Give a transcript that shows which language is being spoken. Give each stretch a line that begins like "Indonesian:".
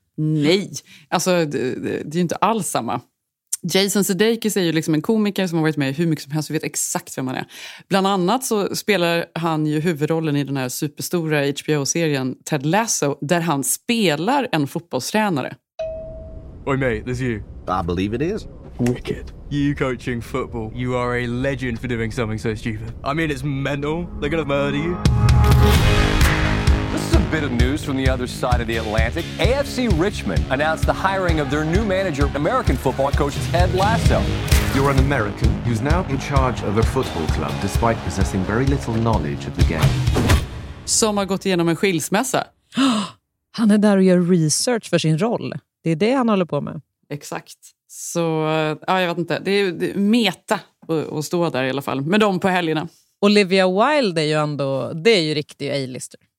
Swedish: Nej, alltså det är ju inte alls samma. Jason Sudeikis är ju liksom en komiker som har varit med hur mycket som helst och vet exakt vem han är. Bland annat så spelar han ju huvudrollen i den här superstora HBO-serien Ted Lasso, där han spelar en fotbollstränare.
English: Oi mate, this is you. I believe it is. Wicked. You coaching football. You are a legend for doing something so stupid. I mean, it's mental. They're gonna murder you. This is a bit of news from the other side of the Atlantic. AFC Richmond announced the hiring of their new manager, American football coach Ted Lasso. You're an American who's now in charge of a football club despite possessing very little knowledge of the game.
Swedish: Som har gått igenom en skilsmässa. Han är där och gör research för sin roll. Det är det han håller på med. Exakt. Så, ja, jag vet inte. Det är meta att stå där i alla fall. Med dem på helgerna. Olivia Wilde är ju ändå, det är ju riktig A-lister.